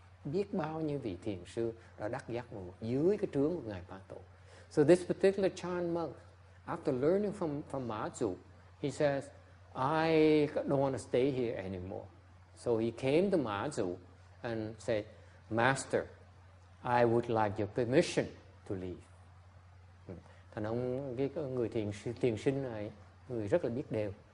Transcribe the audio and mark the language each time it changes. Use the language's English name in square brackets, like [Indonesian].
[Vietnamese] Biết bao nhiêu vị thiền sư đã đắc giác ngộ dưới cái trướng của ngài Mã Tổ. [English] So this particular Chan monk, after learning from Mã Tổ, he says, I don't want to stay here anymore. So he came to Mã Tổ and said, Master, I would like your permission to leave. [Vietnamese] Thành ông cái người thiền sinh này, người rất là biết đều.